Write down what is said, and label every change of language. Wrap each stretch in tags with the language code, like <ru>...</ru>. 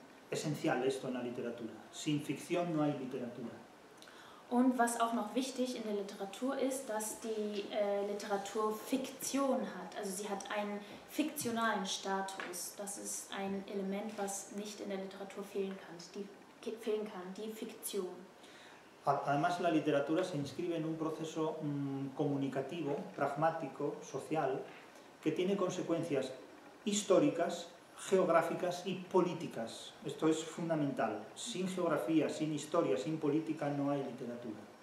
<es>Esencial esto en la literatura. Sin ficción no hay literatura.</es> <de>Und was auch noch wichtig in der Literatur ist, dass die Literatur Fiktion hat. Also sie hat einen fiktionalen Status. Das ist ein Element, was nicht in der Literatur fehlen kann, die Fiktion.</de> <es>Además, la literatura se inscribe en un proceso comunicativo, pragmático, social, que tiene consecuencias históricas, geográficas y políticas. Esto es fundamental. Sin geografía, sin historia, sin política no hay literatura.</es>